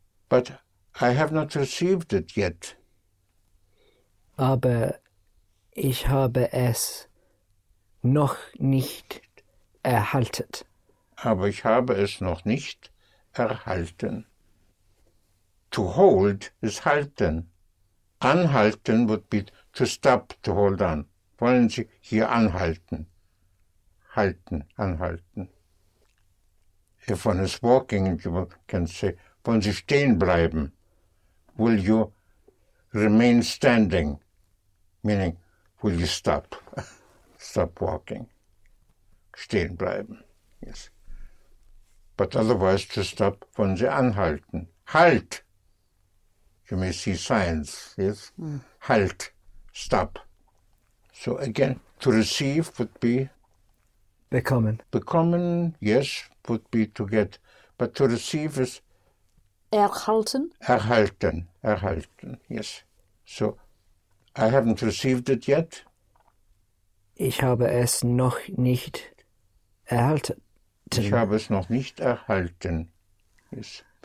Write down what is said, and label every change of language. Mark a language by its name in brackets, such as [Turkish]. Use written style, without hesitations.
[English] But I have not received it yet. [German] Aber ich habe es noch nicht erhalten. Aber ich habe es noch nicht erhalten. [English] To hold is halten. Anhalten would be to stop, to hold on. [German] Wollen Sie hier anhalten? Halten, anhalten. [English] If one is walking, you can say, [German] wollen Sie stehen bleiben? [English] Will you remain standing? Meaning, will you stop? Stop walking. [German] Stehen bleiben. [English] Yes. But otherwise, to stop, [German] wollen Sie anhalten? [English] Halt! You may see signs, yes? Mm. Halt, stop. So again, to receive would be? [German] Bekommen. [English] Bekommen, yes, would be to get. But to receive is? [German] Erhalten. Erhalten, erhalten, yes. [English] So, I haven't received it yet. [German] Ich habe es noch nicht erhalten. Ich habe es noch nicht erhalten, yes.